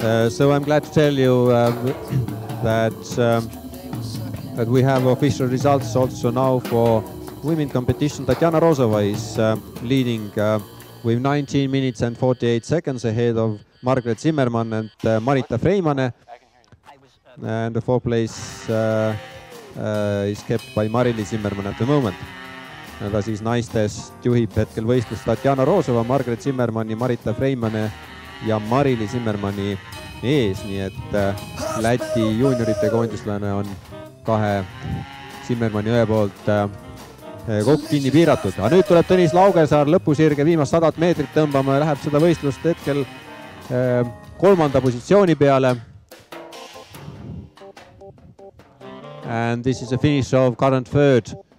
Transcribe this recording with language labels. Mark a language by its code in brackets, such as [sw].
[en] So I'm glad to tell you that we have official results also now for women competition. Tatjana Roosova is leading with 19 minutes and 48 seconds ahead of Margaret Zimmermann and Marita Freimane. And the fourth place is kept by Marili Zimmermann at the moment. [et] Ta siis naistest juhib hetkel võistlust Tatjana Roosova, Margaret Zimmermanni, Marita Freimane ja Marili Zimmermanni ees, nii et Läti juuniorite koondislane on kahe Zimmermanni õe poolt kokku kinni piiratud. Aga nüüd tuleb Tõnis Laugesaar lõpusirge viimast 100 meetrit tõmbama ja läheb seda võistlust hetkel kolmanda positsiooni peale. [en] And this is the finish of current third.